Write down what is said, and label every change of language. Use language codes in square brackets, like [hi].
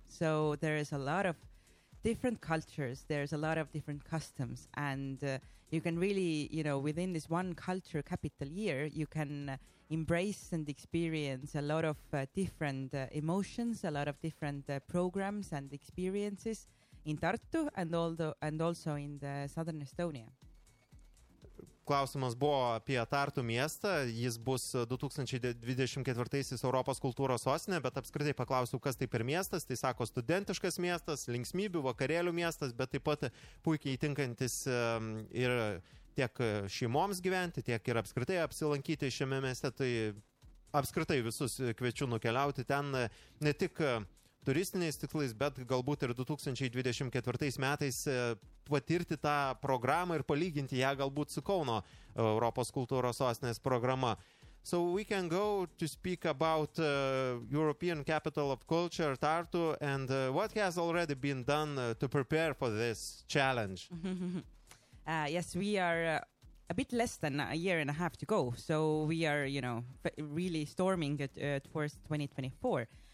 [en] So there is a lot of different cultures, there's a lot of different customs, and you can really, you know, within this one culture capital year, you can embrace and experience a lot of different emotions, a lot of different programs and experiences in Tartu and also in the Southern Estonia. [lt] Klausimas buvo apie Tartu miestą, jis bus 2024 Europos kultūros sostinė, bet apskritai paklausiu, kas tai per miestas, tai sako studentiškas miestas, linksmybių, vakarėlių miestas, bet taip pat puikiai tinkantis ir tiek šeimoms gyventi, tiek ir apskritai apsilankyti šiame mieste, tai apskritai visus kviečiu nukeliauti ten ne tik turistiniais tiklais, bet galbūt ir 2024 metais patirti tą programą ir palyginti ją galbūt su Kauno Europos kultūros sostinės programa. [en] So we can go to speak about European Capital of Culture, Tartu, and what has already been done to prepare for this challenge? Yes, we are a bit less than a year and a half to go, so we are, you know, really storming it towards 2024.